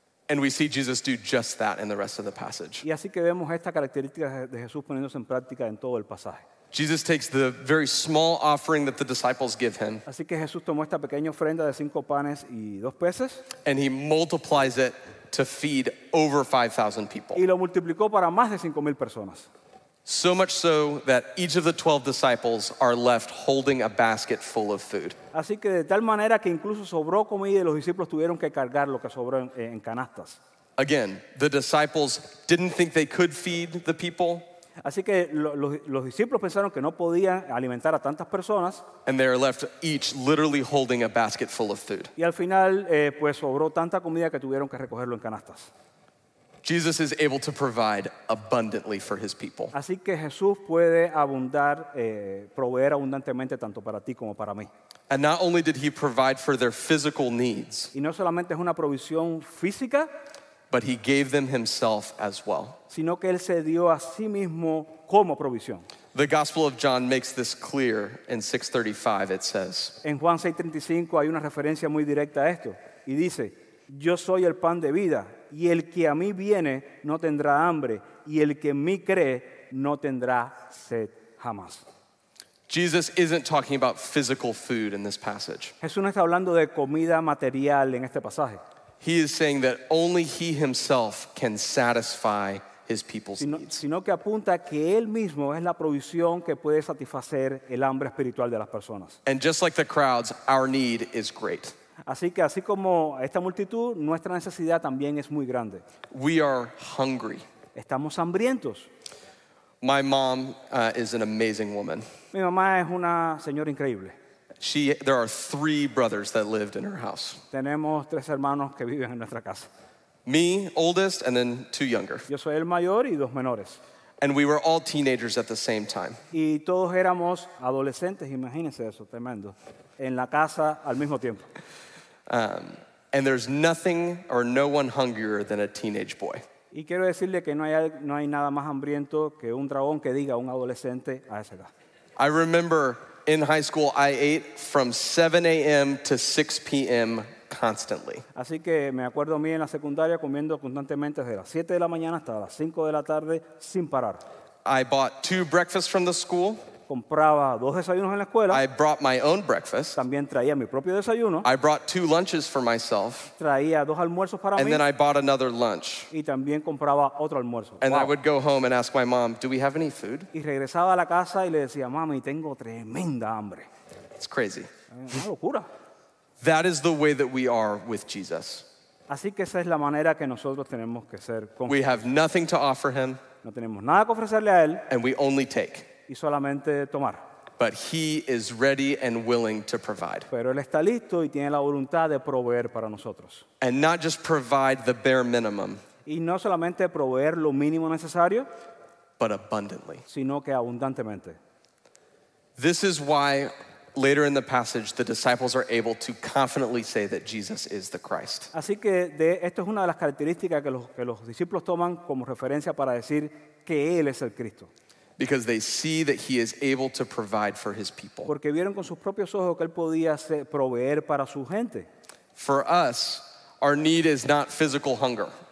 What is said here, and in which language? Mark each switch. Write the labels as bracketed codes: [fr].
[en] And we see Jesus do just that in the rest of the passage. [es] Y así que vemos esta característica de Jesús poniéndose en práctica en todo el pasaje. [en] Jesus takes the very small offering that the disciples give him. [es] Así que Jesús tomó esta pequeña ofrenda de 5 panes y 2 peces. [en] And he multiplies it to feed over 5,000 people. [es] Y lo multiplicó para más de 5,000 personas. [en] So much so that each of the 12 disciples are left holding a basket full of food. [es] Así que de tal manera que incluso sobró comida y los discípulos tuvieron que cargar lo que sobró en canastas. [en] Again, the disciples didn't think they could feed the people. [es] Así que los discípulos pensaron que no podían alimentar a tantas personas. [en] And they are left each literally holding a basket full of food. [es] Y al final pues sobró tanta comida que tuvieron que recogerlo en canastas. [en] Jesus is able to provide abundantly for his people. [es] Así que Jesús puede abundar, proveer abundantemente tanto para ti como para mí. [en] And not only did he provide for their physical needs, [es] y no solamente es una provisión física, [en] but he gave them himself as well. [es] Sino que él se dio a sí mismo como provisión. [en] The Gospel of John makes this clear in 6:35, it says. [es] En Juan 6:35 hay una referencia muy directa a esto. Y dice, yo soy el pan de vida. Y el que a mí viene no tendrá hambre, y el que en mí cree no tendrá sed jamás. [en] Jesus isn't talking about physical food in this passage. [es] Jesús no está hablando de comida material en este pasaje. [en] He is saying that only he himself can satisfy his people's needs. [es] Sino que apunta que él mismo es la provisión que puede satisfacer el hambre espiritual de las personas. [en] And just like the crowds, our need is great. [es] Así como esta multitud, nuestra necesidad también es muy grande. [en] We are hungry. [es] Estamos hambrientos. [en] My mom is an amazing woman. [es] Mi mamá es una señora increíble. [en] There are 3 brothers that lived in her house. [es] Tenemos 3 hermanos que viven en nuestra casa. [en] Me, oldest, and then 2 younger. [es] Yo soy el mayor y 2 menores. [en] And we were all teenagers at the same time. [es] Y todos éramos adolescentes, imagínense eso, tremendo. En la casa al mismo tiempo. [en] And there's nothing or no one hungrier than a teenage boy. [es] Y quiero decirle que no hay nada más hambriento que un dragón que diga un adolescente a esa edad. [en] I remember in high school I ate from 7 a.m. to 6 p.m. constantly. [es] Así que me acuerdo a mí en la secundaria comiendo constantemente desde las 7 de la mañana hasta las 5 de la tarde sin parar. [en] I bought 2 breakfasts from the school. [es] Compraba 2 desayunos en la escuela. [en] I brought my own breakfast. [es] También traía mi propio desayuno. [en] I brought 2 lunches for myself. [es] Traía 2 almuerzos para mí. [en] And then I bought another lunch. [es] Y también compraba otro almuerzo. [en] And wow. I would go home and ask my mom, "Do we have any food?" [es] Y regresaba a la casa y le decía, "Mami, tengo tremenda hambre." [en] It's crazy. [es] Es una locura. [en] That is the way that we are with Jesus. [es] Así que esa es la manera que nosotros tenemos que ser con [en] Jesús. We have nothing to offer him. [es] No tenemos nada que ofrecerle a él. [en] And we only take. [es] Y solamente tomar. [en] But he is ready and willing to provide. [es] Pero él está listo y tiene la voluntad de proveer para nosotros. [en] And not just provide the bare minimum. [es] Y no solamente proveer lo mínimo necesario. [en] But abundantly. [es] Sino que abundantemente. [en] This is why later in the passage the disciples are able to confidently say that Jesus is the Christ. [es] Así que esto es una de las características que los discípulos toman como referencia para decir que él es el Cristo. [en] Because they see that he is able to provide for his people. [es] Porque vieron con sus propios ojos que él podía proveer para su gente. [en] For us, our need is not physical hunger.